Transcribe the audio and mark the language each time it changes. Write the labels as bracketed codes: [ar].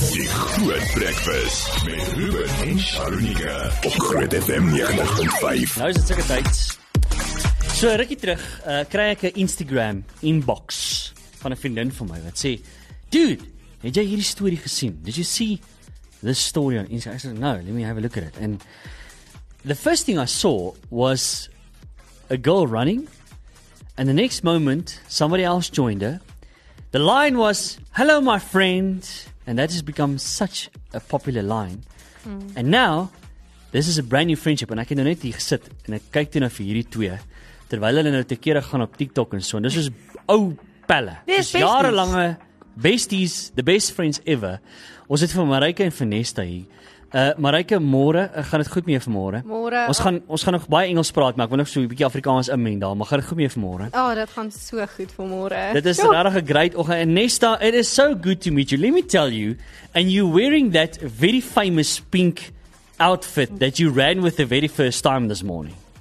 [af] Groot Breakfast met Ruben en Sharunika op Groot FM 90.5. Nou is het seker tyd. So, rukkie terug, kry ek 'n Instagram inbox van 'n vriendin van my wat sê, [en] dude, [af] het jy hierdie story gesien? [en] Did you see this story on Instagram? I said, no, let me have a look at it. And the first thing I saw was a girl running, and the next moment, somebody else joined her. The line was, hello, my friend, and that has become such a popular line. [af] Mm. [en] And now, this is a brand new friendship, and I [af] can only sit here and I kyk toe na vir hierdie twee, terwyl hulle nou te kere gaan op TikTok en so, en dis soos ou pelle. Dis jarelange besties, [en] the best friends ever. [af] Ons het vir Marijke en Vanessa hier. Marijke, môre, gaan dit goed mee vanmôre? Môre. Ons gaan nog baie Engels praat, maar ek wil nog so 'n bietjie Afrikaans inmeng daar, maar gaan dit goed mee vanmôre? Oh, dit gaan so goed vanmôre. Dit is regtig 'n great oggend. [en] Vanessa, it is so good to meet you. Let me tell you, and you're wearing that very famous pink outfit that you ran with the very first time this morning.